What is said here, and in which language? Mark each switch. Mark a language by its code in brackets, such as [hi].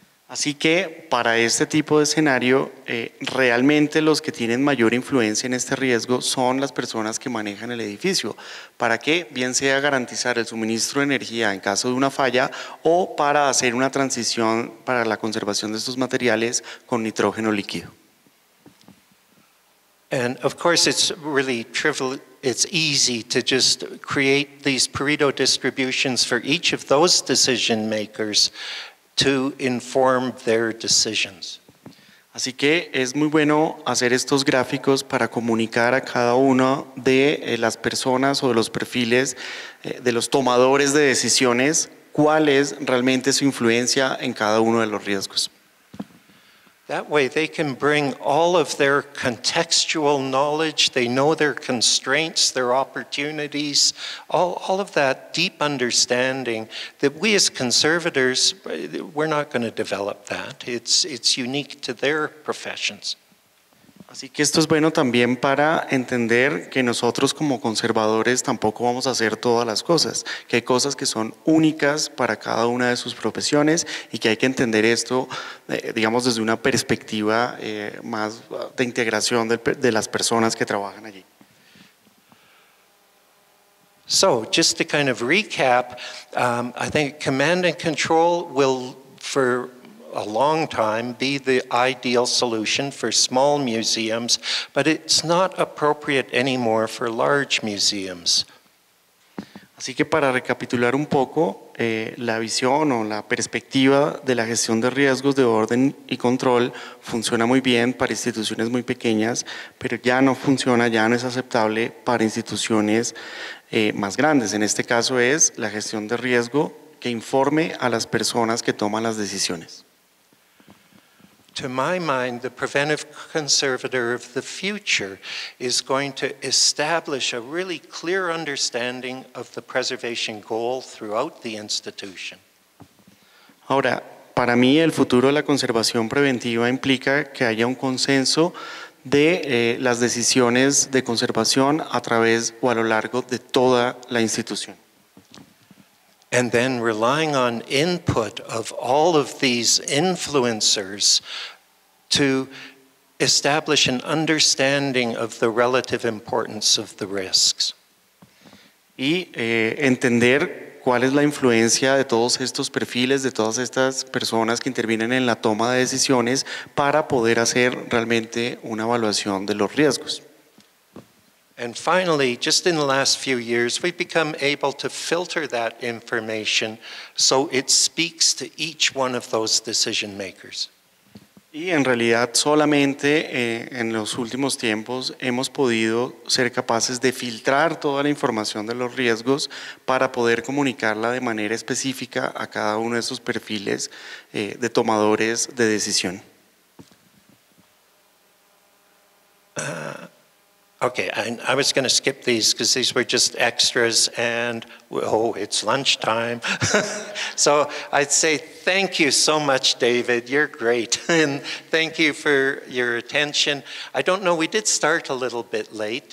[es] Así que para este tipo de escenario, realmente los que tienen mayor influencia en este riesgo son las personas que manejan el edificio, para que bien sea garantizar el suministro de energía en caso de una falla o para hacer una transición para la conservación de estos materiales con nitrógeno líquido. [en] And of course it's really trivial, it's easy to just create these Pareto distributions for each of those decision makers to inform their decisions. [es] Así que es muy bueno hacer estos gráficos para comunicar a cada uno de las personas o de los perfiles de los tomadores de decisiones cuál es realmente su influencia en cada uno de los riesgos. [en] That way they can bring all of their contextual knowledge, they know their constraints, their opportunities, all of that deep understanding that we as conservators, we're not going to develop that. It's unique to their professions. [es] Así que esto es bueno también para entender que nosotros como conservadores tampoco vamos a hacer todas las cosas, que hay cosas que son únicas para cada una de sus profesiones y que hay que entender esto, digamos, desde una perspectiva más de integración de las personas que trabajan allí. [en] So, just to kind of recap, I think command and control will, for a long time, be the ideal solution for small museums, but it's not appropriate anymore for large museums. [es] Así que para recapitular un poco, la visión o la perspectiva de la gestión de riesgos de orden y control funciona muy bien para instituciones muy pequeñas, pero ya no funciona, ya no es aceptable para instituciones más grandes. En este caso es la gestión de riesgo que informe a las personas que toman las decisiones. [en] To my mind, the preventive conservator of the future is going to establish a really clear understanding of the preservation goal throughout the institution. [es] Ahora, para mí, el futuro de la conservación preventiva implica que haya un consenso de las decisiones de conservación a través o a lo largo de toda la institución. [en] And then relying on input of all of these influencers to establish an understanding of the relative importance of the risks. [es] Y entender cuál es la influencia de todos estos perfiles, de todas estas personas que intervienen en la toma de decisiones para poder hacer realmente una evaluación de los riesgos. [en] And finally, just in the last few years, we've become able to filter that information so it speaks to each one of those decision makers. [es] Y en realidad solamente en los últimos tiempos hemos podido ser capaces de filtrar toda la información de los riesgos para poder comunicarla de manera específica a cada uno de esos perfiles de tomadores de decisión. [en] Okay, I was going to skip these because these were just extras and, oh, it's lunchtime. So I'd say thank you so much, David. You're great. And thank you for your attention. I don't know, we did start a little bit late.